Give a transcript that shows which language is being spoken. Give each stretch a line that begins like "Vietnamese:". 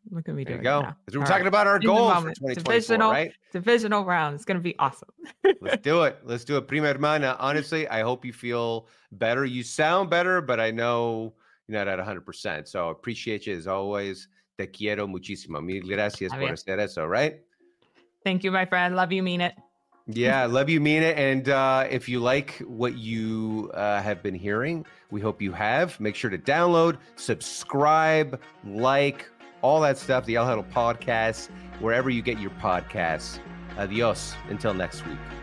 English: Look at me doing it. Because we're talking about our goals for 2024, Divisional round. It's going to be awesome. Let's do it.
Spanish: Prima hermana.
English: Honestly, I hope you feel better. You sound better, but I know you're not at 100%. So appreciate you as always.
Spanish: Te quiero muchísimo. Mil gracias por hacer eso, right?
English: Thank you, my friend. Love you, mean it. Yeah, love you, Mina. And if you like what you have been hearing, we hope you have. Make sure to download, subscribe, like, all that stuff. The El Huddle Podcast, wherever you get your podcasts. Adios. Until next week.